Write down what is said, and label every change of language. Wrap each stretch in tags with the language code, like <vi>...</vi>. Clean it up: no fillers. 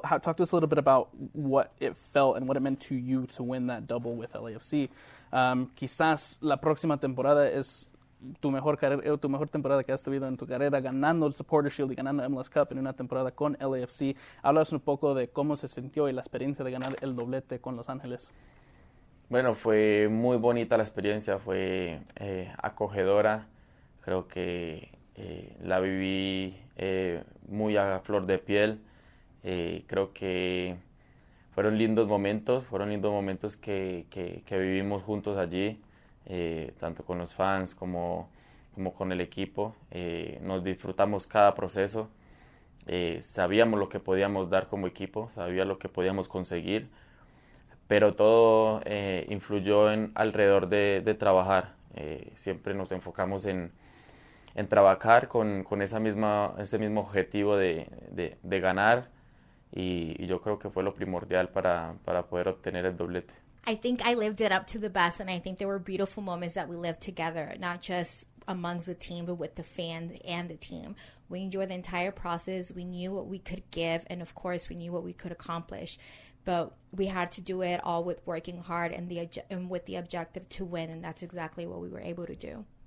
<en>Talk to us a little bit about what it felt and what it meant to you to win that double with LAFC.</en> <es>Quizás la próxima temporada es tu mejor temporada que has tenido en tu carrera, ganando el Supporter Shield y ganando MLS Cup en una temporada con LAFC. Háblanos un poco de cómo se sintió y la experiencia de ganar el doblete con Los Ángeles. Bueno, fue muy bonita la experiencia, fue acogedora. Creo que la viví muy a flor de piel. Creo que fueron lindos momentos que vivimos juntos allí, tanto con los fans como con el equipo. Nos disfrutamos cada proceso. Sabíamos lo que podíamos dar como equipo, sabía lo que podíamos conseguir, pero todo influyó en alrededor de trabajar. Siempre nos enfocamos en trabajar con ese mismo objetivo de ganar, y yo creo que fue lo primordial para poder obtener el doblete.</es> <en>I think I lived it up to the best, and I think there were beautiful moments that we lived together, not just amongst the team, but with the fans and the team. We enjoyed the entire process. We knew what we could give, and of course, we knew what we could accomplish. But we had to do it all with working hard and with the objective to win, and that's exactly what we were able to do.</en>